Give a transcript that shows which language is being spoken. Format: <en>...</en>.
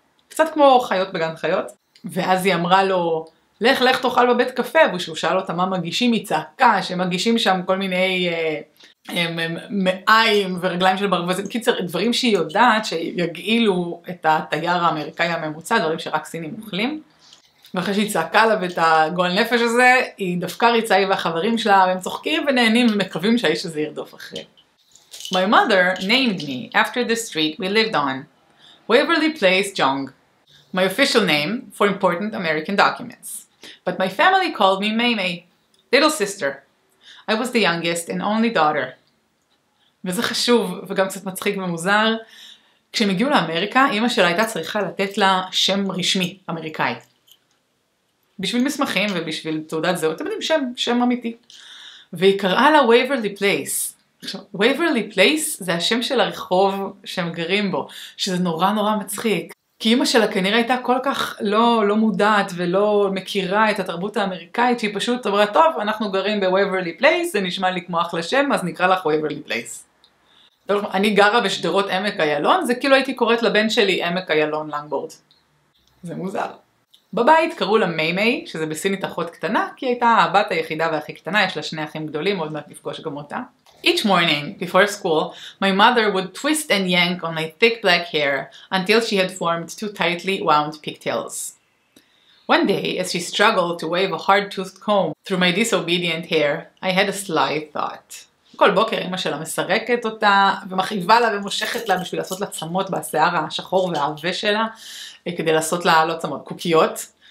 <he>קצת כמו חיות בגן חיות, ואז היא אמרה לו, לך לך תאכל בבית קפה, ושהוא שאל אותה מה מגישים, היא צעקה, שמגישים שם כל מיני מאיים ורגליים של ברווזים, קיצר, דברים שהיא יודעת שיגעילו את התייר האמריקאי הממוצע, דברים שרק סינים אוכלים, ואחרי שהיא צעקה לה ואת הגועל נפש הזה, היא דווקא ריצה עם החברים שלה, והם צוחקים ונהנים ומקווים שהאיש הזה ירדוף אחרי.</he> <en>My mother named me after the street we lived on. Waverly Place, Jong. My official name for important American documents. But my family called me Maymay, little sister. I was the youngest and only daughter.</en> <he>וזה חשוב וגם קצת מצחיק ומוזר. כשהם הגיעו לאמריקה, אמא שלה הייתה צריכה לתת לה שם רשמי אמריקאי. בשביל מסמכים ובשביל תעודת זהות, אתם יודעים שם, שם אמיתי. והיא קראה לה Waverly Place. עכשיו, Waverly Place זה השם של הרחוב שהם גרים בו, שזה נורא נורא מצחיק. כי אמא שלה כנראה הייתה כל כך לא מודעת ולא מכירה את התרבות האמריקאית, שהיא פשוט אמרה, טוב, אנחנו גרים ב-Waverly Place, זה נשמע לי כמו אחלה שם, אז נקרא לך Waverly Place. טוב, אני גרה בשדרות עמק הילון, זה כאילו הייתי קוראת לבן שלי עמק הילון לנגבורד. זה מוזר. בבית קראו לה מיימי, שזה בסינית אחות קטנה, כי הייתה הבת היחידה והכי קטנה, יש לה שני אחים גדולים, עוד מעט נפגוש גם אותה.</he> <en>Each morning, before school, my mother would twist and yank on my thick black hair until she had formed two tightly wound pigtails. One day, as she struggled to wave a hard-toothed comb through my disobedient hair, I had a sly thought.</en> <he>כל בוקר אמא שלה מסרקת אותה ומחאיבה לה ומושכת לה בשביל לעשות לה צמות בשיער השחור והעבה שלה, כדי לעשות לה לא צמות, קוקיות.</he>